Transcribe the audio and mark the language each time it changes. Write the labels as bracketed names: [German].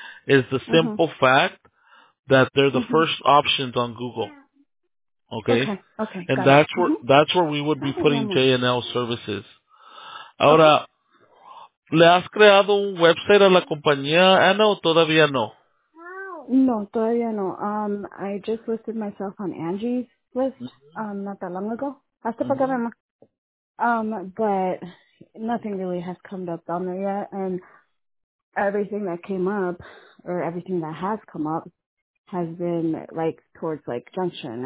[English] It's the simple fact that they're the first options on Google. Okay. And that's where we would be putting J&L services. [Spanish] Ahora, ¿le has creado un website a la compañía, Anna, o todavía no? No, todavía no. [English] I just listed myself on Angie's list not that long ago. [Spanish] Hasta para que [English] but nothing really has come up down there yet. And everything that came up, or everything that has come up, has been, towards, Junction.